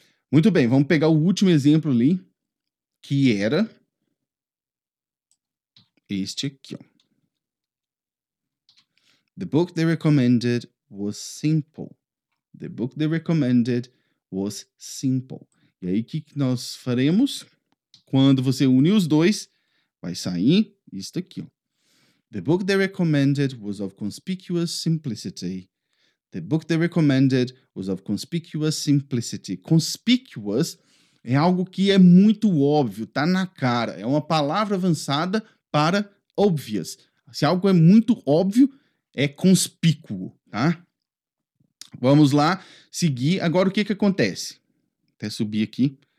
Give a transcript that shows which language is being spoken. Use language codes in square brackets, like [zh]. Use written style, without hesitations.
[pt] Muito bem, vamos pegar o último exemplo ali, que era este aqui, ó. [en] The book they recommended was simple. The book they recommended was simple. [pt] E aí, o que nós faremos? Quando você une os dois, vai sair isto aqui, ó. [en] The book they recommended was of conspicuous simplicity. The book they recommended was of conspicuous simplicity. [pt] Conspicuous é algo que é muito óbvio, tá na cara. É uma palavra avançada para obvious. Se algo é muito óbvio, é conspícuo, tá? Vamos lá seguir. Agora, o que que acontece? Até subir aqui.